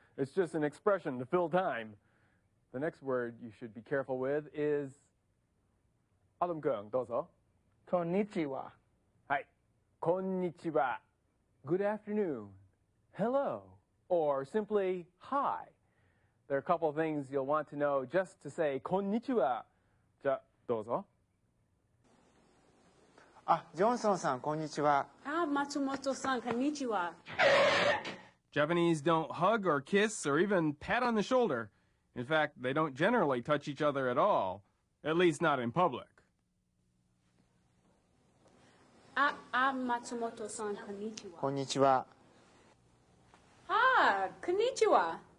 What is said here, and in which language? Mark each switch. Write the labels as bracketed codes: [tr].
[en] It's just an expression to fill time. The next word you should be careful with is... Adam Kung, どうぞ。 [ja] Konnichiwa. はい。Konnichiwa. [en] Good afternoon. Hello. Or simply, hi. There are a couple of things you'll want to know just to say konnichiwa. [ja] じゃあ、どうぞ。あ、ジョンソンさん、こんにちは。あ、Matsumoto san, konnichiwa. [en] Japanese don't hug or kiss or even pat on the shoulder. In fact, they don't generally touch each other at all, at least not in public. Ah, I'm Matsumoto-san, [ja] konnichiwa. Konnichiwa. Ah, konnichiwa.